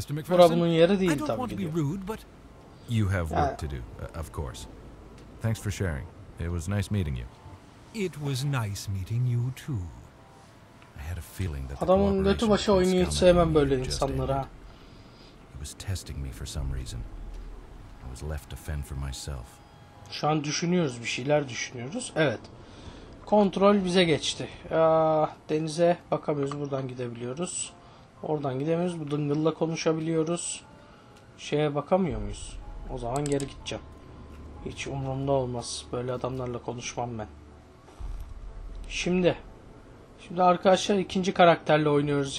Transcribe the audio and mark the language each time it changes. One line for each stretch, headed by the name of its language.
Turkish: Bura bunun yeri değil tabii ki.
English: You have work to do, of course. Thanks for sharing. It was nice meeting you. It was nice meeting you too. I had a feeling that
Turkish: adamın götü başı oyunu hiç sevmem böyle insanlara.
English: He was testing me for some reason. I was left to fend for myself.
Turkish: Şu an düşünüyoruz, bir şeyler düşünüyoruz. Evet. Kontrol bize geçti. Denize bakamıyoruz, buradan gidebiliyoruz. Oradan gidemiyoruz. Bu dıngılla konuşabiliyoruz. Şeye bakamıyor muyuz? O zaman geri gideceğim. Hiç umurumda olmaz. Böyle adamlarla konuşmam ben. Şimdi arkadaşlar ikinci karakterle oynuyoruz.